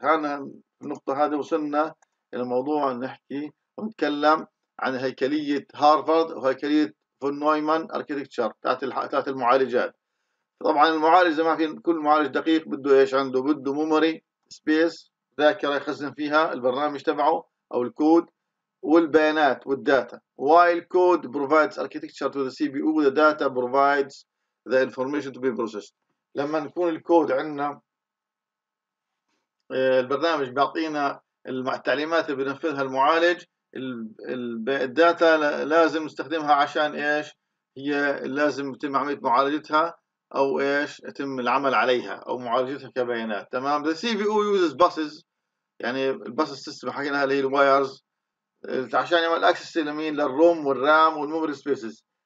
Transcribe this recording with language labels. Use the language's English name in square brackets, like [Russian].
[Arabic] هنا النقطة هذه وصلنا إلى موضوع نحكي ونتكلم عن هيكلية هارفارد وهيكلية فون نويمان الكريكتشر تاعت المعالجات. طبعا المعالج زي ما في كل معالج دقيق بده إيش عنده؟ بده ميموري سبيس، ذاكرة يخزن فيها البرنامج تبعه أو الكود والبيانات والداتا. [English] while code provides architecture to the CPU the data provides the information to be processed. [Arabic] لما نكون الكود عندنا البرنامج بيعطينا التعليمات اللي بينفذها المعالج، الداتا لازم نستخدمها عشان ايش؟ هي لازم يتم عمليه معالجتها او ايش؟ يتم العمل عليها او معالجتها كبيانات، تمام؟ The CPU uses buses، يعني الباس سيستم حكينا اللي هي الوايرز عشان يعمل اكسس لمين؟ للروم والرام والميموري سبيسز.